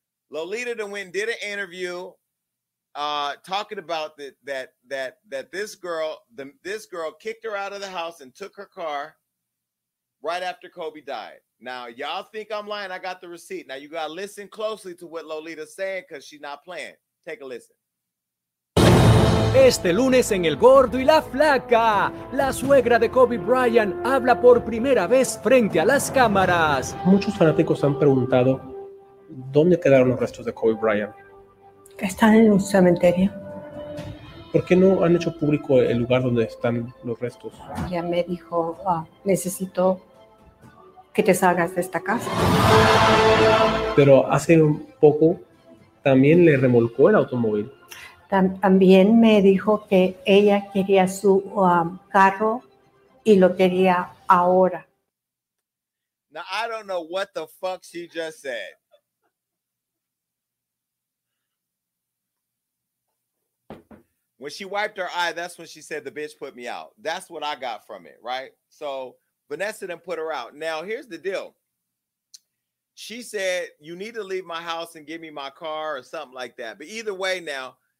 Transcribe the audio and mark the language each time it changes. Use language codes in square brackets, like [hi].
[en] Lolita done went and did an interview talking about this girl kicked her out of the house and took her car right after Kobe died. Now, y'all think I'm lying. I got the receipt. Now, you got to listen closely to what Lolita's saying because she's not playing. Take a listen. [es] Este lunes en El Gordo y la Flaca, la suegra de Kobe Bryant habla por primera vez frente a las cámaras. Muchos fanáticos han preguntado, ¿dónde quedaron los restos de Kobe Bryant? Están en un cementerio. ¿Por qué no han hecho público el lugar donde están los restos? Ella me dijo, necesito que te salgas de esta casa. Pero hace un poco también le remolcó el automóvil. También me dijo que ella quería su carro y lo quería ahora. [en] Now, I don't know what the fuck she just said. When she wiped her eye, that's when she said, the bitch put me out. That's what I got from it, right? So Vanessa then put her out. Now, here's the deal. She said, you need to leave my house and give me my car or something like that. But either way now,